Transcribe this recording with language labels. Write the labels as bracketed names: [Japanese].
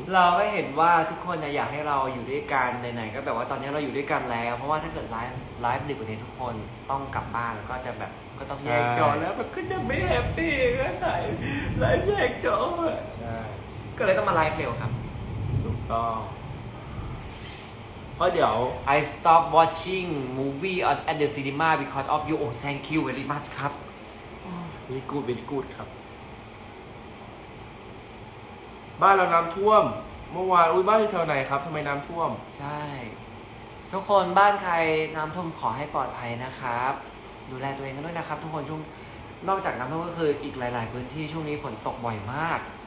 [Thai] เราก็เห็นว่าทุกคนอยากให้เราอยู่ด้วยกันไหนๆก็แบบว่าตอนนี้เราอยู่ด้วยกันแล้วเพราะว่าถ้าเกิดไลฟ์ดึกกว่านี้ทุกคนต้องกลับบ้านแล้วก็จะแบบก็ต้อง แยกจอแล้วมันก็จะไม่แฮปปี้ก็ไหนไลฟ์แยกจอ ใช่ก็เลยต้องมาไลฟ์เร็วครับ ถูกต้องเพราะเดี๋ยว [English] I stop watching movie at the cinema because of you thank you very much ครับ very good very good [Thai] ครับบ้านเราน้ำท่วมเมื่อวานอุ้ยบ้านอยู่แถวไหนครับทำไมน้ำท่วม ใช่ทุกคนบ้านใครน้ำท่วมขอให้ปลอดภัยนะครับดูแลตัวเองกันด้วยนะครับทุกคนช่วงนอกจากน้ำท่วมก็คืออีกหลายๆพื้นที่ช่วงนี้ฝนตกบ่อยมาก